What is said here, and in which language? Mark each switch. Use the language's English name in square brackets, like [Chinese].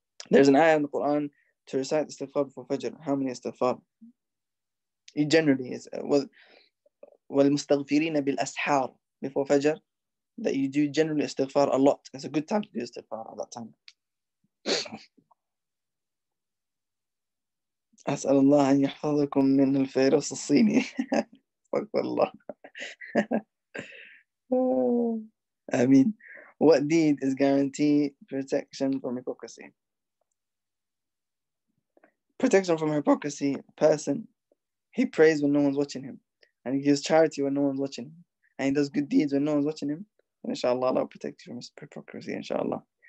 [English] There's an ayah in the Quran to recite istighfar before Fajr. How many istighfar? It generally is. [Arabic] وَالْمُسْتَغْفِرِينَ بِالْأَسْحَارِ [English] before Fajr. That you do generally istighfar a lot. It's a good time to do istighfar at that time. [Arabic] أسأل الله أن يحفظكم من الفيروس الصيني. استغفر الله. [English] I mean, what deed is guaranteed protection from hypocrisy? Protection from hypocrisy, a person, he prays when no one's watching him, and he gives charity when no one's watching him, and he does good deeds when no one's watching him, and inshallah, Allah will protect you from hypocrisy, inshallah.